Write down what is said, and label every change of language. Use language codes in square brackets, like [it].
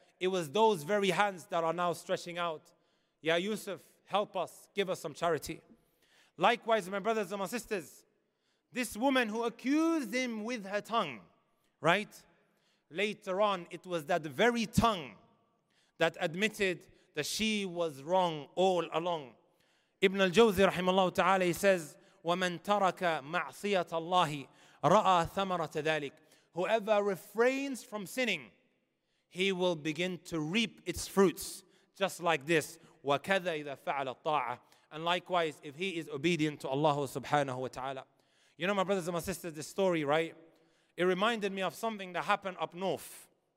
[en] It was those very hands that are now stretching out. Ya Yusuf, help us, give us some charity. Likewise, my brothers and my sisters, this woman who accused him with her tongue, right? Later on, it was that very tongue that admitted that she was wrong all along. [ar] Ibn al-Jawzi, rahimahullah ta'ala, [en] he says, [ar] وَمَنْ تَرَكَ مَعْصِيَةَ اللَّهِ رَأَى ثَمَرَةَ ذَلِكَ. [en] Whoever refrains from sinning, he will begin to reap its fruits, just like this. [ar] وَكَذَا إِذَا فَعَلَ الطَّاعَةَ. [en] And likewise, if he is obedient to Allah subhanahu wa ta'ala. You know, my brothers and my sisters, this story, right? It reminded me of something that happened up north.